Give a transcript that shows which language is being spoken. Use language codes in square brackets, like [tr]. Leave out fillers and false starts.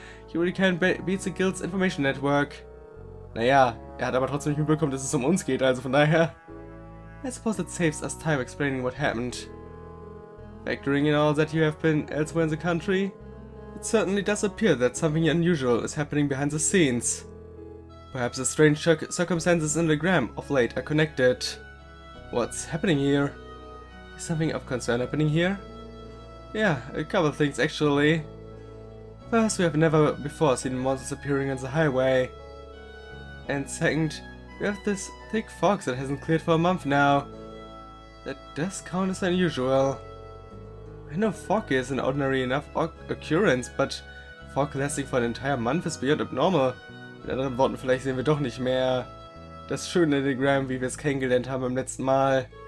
[en] You really can't beat the Guild's information network. [de] Naja, hat aber trotzdem nicht mitbekommen, dass es uns geht, also von daher. [en] I suppose that saves us time explaining what happened. Factoring in all that you have been elsewhere in the country, it certainly does appear that something unusual is happening behind the scenes. Perhaps the strange circumstances in the Gram of late are connected. What's happening here? Is something of concern happening here? Yeah, a couple of things actually. First, we have never before seen monsters appearing on the highway. And second, we have this thick fog that hasn't cleared for a month now. That does count as unusual. I know fog is an ordinary enough occurrence, but fog lasting for an entire month is beyond abnormal. [de] Mit anderen Worten, vielleicht sehen wir doch nicht mehr das schöne Telegramm, wie wir es kennengelernt haben beim letzten Mal.